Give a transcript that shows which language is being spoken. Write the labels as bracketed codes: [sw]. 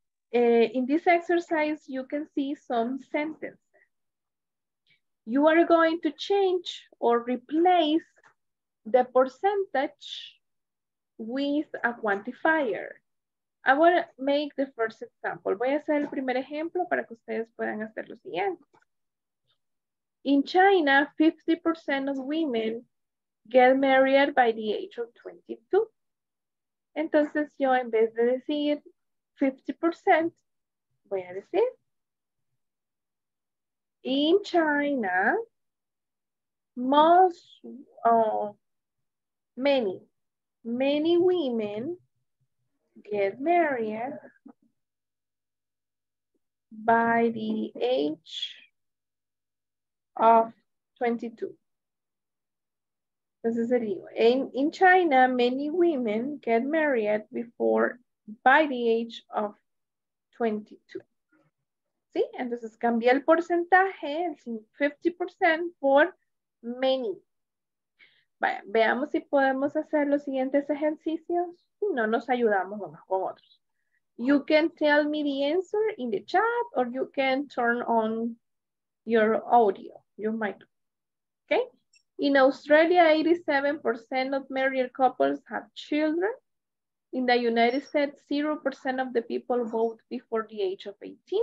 [en] In this exercise, you can see some sentences. You are going to change or replace the percentage with a quantifier. I want to make the first example. [es] Voy a hacer el primer ejemplo para que ustedes puedan hacer lo siguiente. [en] In China, 50% of women get married by the age of 22. [es] Entonces yo en vez de decir 50%, voy a decir, [en] in China, many women get married by the age of 22. This is it. In China, many women get married before, by the age of 22. ¿Sí? [es] Entonces cambié el porcentaje, el 50% por many. Vaya, veamos si podemos hacer los siguientes ejercicios. Si no, nos ayudamos unos con otros. [en] You can tell me the answer in the chat or you can turn on your audio, your mic. Okay? In Australia, 87% of married couples have children. In the United States, 0% of the people vote before the age of 18.